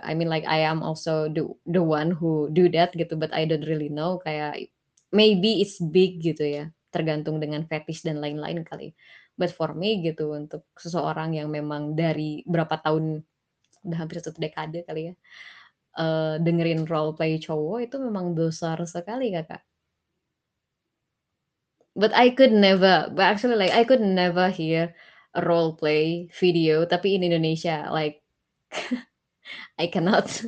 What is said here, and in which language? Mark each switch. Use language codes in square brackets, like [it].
[en] I mean like I am also the one who do that gitu, but I don't really know. [id] Kayak [en] maybe it's big [id] gitu ya, tergantung dengan fetish dan lain-lain kali. [en] But for me [id] gitu, untuk seseorang yang memang dari berapa tahun, udah hampir 1 dekade kali ya, dengerin roleplay cowok itu memang besar sekali kakak. [en] But I could never, but actually like I could never hear a roleplay video, tapi in Indonesia like I cannot.